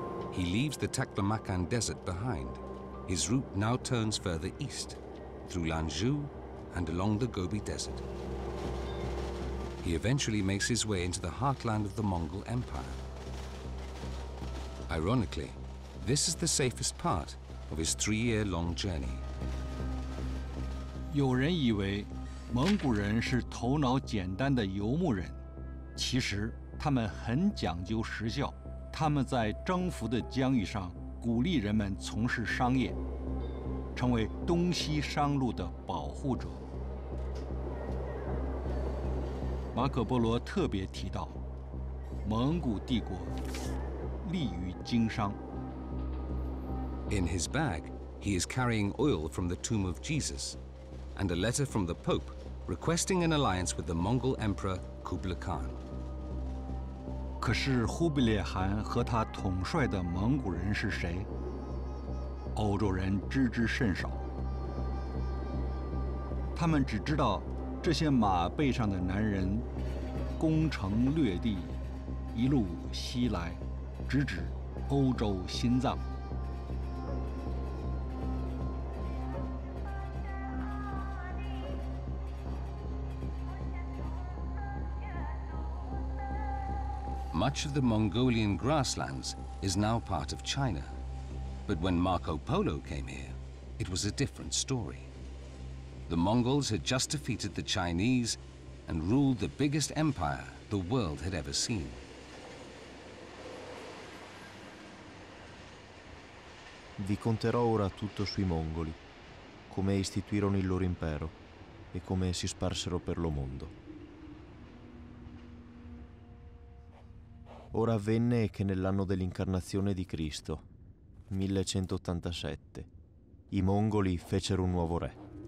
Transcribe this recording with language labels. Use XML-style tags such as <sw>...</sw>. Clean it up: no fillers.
<en>He leaves the Taklamakan desert behind. His route now turns further east, through Lanzhou and along the Gobi Desert. He eventually makes his way into the heartland of the Mongol Empire. Ironically, this is the safest part of his three-year-long journey.</en> <zh>有人以为蒙古人是头脑简单的游牧人，其实他们很讲究实效。他们在征服的疆域上鼓励人们从事商业，成为东西商路的保护者。马可·波罗特别提到，蒙古帝国利于经商。</zh> <en>In his bag, he is carrying oil from the tomb of Jesus, and a letter from the Pope requesting an alliance with the Mongol Emperor Kublai Khan.</en> <zh>可是忽必烈汗和他统帅的蒙古人是谁？欧洲人知之甚少。他们只知道这些马背上的男人攻城略地，一路西来，直指欧洲心脏。</zh> <en>Much of the Mongolian grasslands is now part of China. But when Marco Polo came here, it was a different story. The Mongols had just defeated the Chinese and ruled the biggest empire the world had ever seen.</en> <it>Vi conterò ora tutto sui Mongoli, come istituirono il loro impero e come si sparsero per lo mondo. Ora avvenne che nell'anno dell'incarnazione di Cristo, 1187, i Mongoli fecero un nuovo re.</it>